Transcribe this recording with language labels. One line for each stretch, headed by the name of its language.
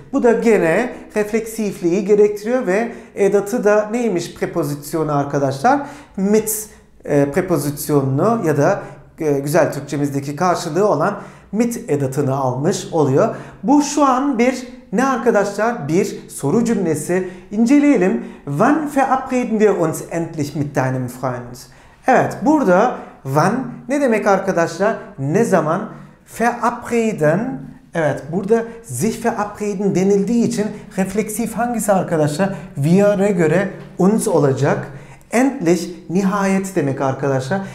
Turkish: Bu da gene refleksifliği gerektiriyor ve edatı da neymiş prepozisyonu arkadaşlar? Mit prepozisyonunu ya da güzel Türkçemizdeki karşılığı olan mit edatını almış oluyor. Bu şu an bir ne arkadaşlar? Bir soru cümlesi. İnceleyelim.
German: Wann verabreden wir uns endlich mit deinem Freund?
Turkish: Evet, burada wann ne demek arkadaşlar? Ne zaman? Verabreden. Evet, burada sich verabreden denildiği için refleksif hangisi arkadaşlar? Wir'e göre uns olacak. Endlich, nihayet demek arkadaşlar.